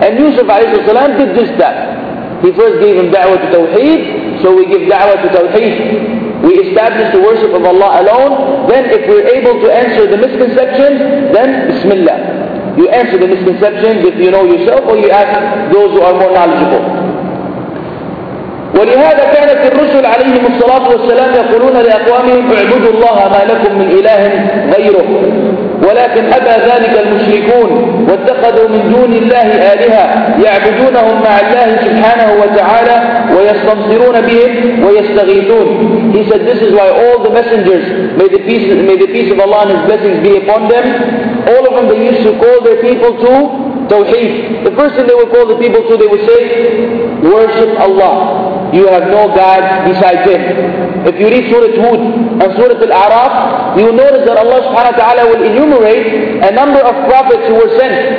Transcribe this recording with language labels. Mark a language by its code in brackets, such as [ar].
[en] And Yusuf alayhi salam did just that. He first gave him da'wah to tawheed, so we give da'wah to tawheed. We establish the worship of Allah alone, then if we're able to answer the misconceptions, then bismillah. You answer the misconceptions if you know yourself, or you ask those who are more knowledgeable. [ar] ولهذا كانت الرسل عليهم الصلاة والسلام يقولون لأقوامهم اعبدوا الله ما لكم من إله غيره ولكن أبى ذلك المشركون واتخذوا من دون الله آلهة يعبدونهم مع الله سبحانه وتعالى ويستنصرون بهم ويستغيثون. [en] He said, this is why all the messengers, may the peace of Allah and His blessings be upon them, all of them, they used to call their people to tawheed. The first thing they would call the people to, they would say, worship Allah. You have no God besides Him. If you read Surah Hud and Surah Al-A'raf, you will notice that Allah subhanahu wa ta'ala will enumerate a number of prophets who were sent.